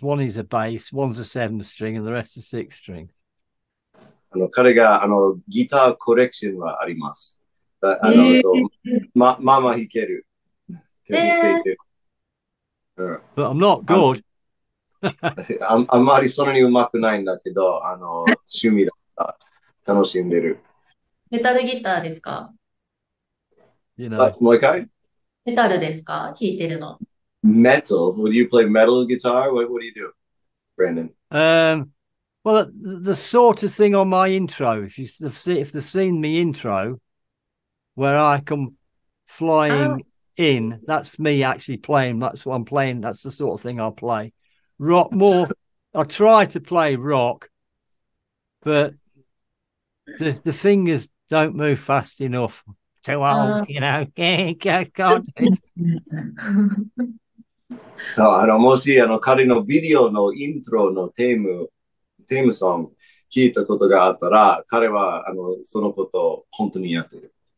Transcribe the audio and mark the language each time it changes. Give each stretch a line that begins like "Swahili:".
English: One is a bass, one's a 7-string, and the rest are 6-string.
Japanese: あの彼があのギターコレクションはあります。あの、ママ弾ける。
English: But I'm not good.
Japanese: あんまりそんなにうまくないんだけど、あの趣味だった。楽しんでる。メタルギターですか？
English: You know.
Japanese: メタルですか？弾いてるの。
English: Metal? Would you play metal guitar? What do you do, Brandon? Well, the sort of thing on my intro, if they've seen me intro, where I come flying in, that's me actually playing. That's what I'm playing. That's the sort of thing I play. Rock more. I try to play rock, but the fingers don't move fast enough. Too old, you know. God.
Japanese: So, あのもしあの彼のビデオのイントロのテーマソング、聞いたことがあったら、彼はあのそのことを本当にやってる。